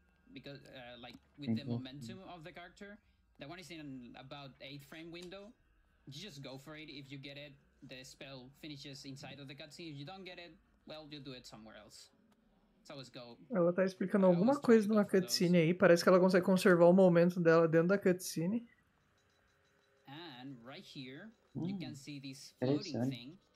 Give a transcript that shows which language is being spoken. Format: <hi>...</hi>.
<en>Because like with the momentum of the character, that one is in about 8-frame window. You just go for it. If you get it, the spell finishes inside of the cutscene. If you don't get it, well, you do it somewhere else. So let's go.</en> <pt>Ela tá explicando alguma coisa numa cutscene aí. Parece que ela consegue conservar o momento dela dentro da cutscene.</pt> <en>And right here, you can see this floating thing.</en>